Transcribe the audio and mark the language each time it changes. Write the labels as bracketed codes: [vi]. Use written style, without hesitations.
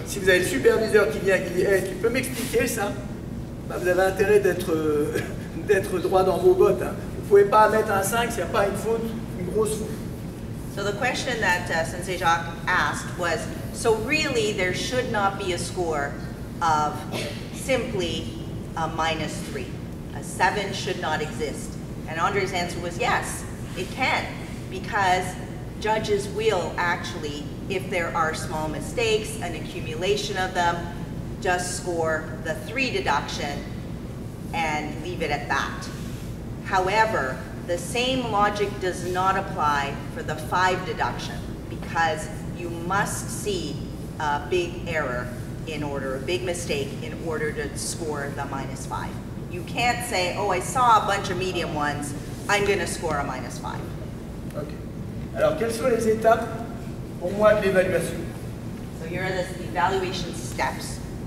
[fr] Si vous avez le superviseur qui vient, qui dit hey, tu peux m'expliquer ça, bah, vous avez intérêt d'être droit dans vos bottes. Hein. Vous ne pouvez pas mettre un 5 s'il n'y a pas une faute, une grosse faute. [en] So the question that Sensei Jacques asked was, so really there should not be a score of simply a -3. A 7 should not exist. And Andre's answer was, yes, it can, because judges will actually, if there are small mistakes, an accumulation of them, just score the 3 deduction and leave it at that. However, the same logic does not apply for the 5 deduction because you must see a big error in order, a big mistake in order to score the -5. You can't say, oh, I saw a bunch of medium ones, I'm going to score a -5. Okay. [fr] Alors, quelles sont les étapes pour moi de l'évaluation? [en] So here are the evaluation steps.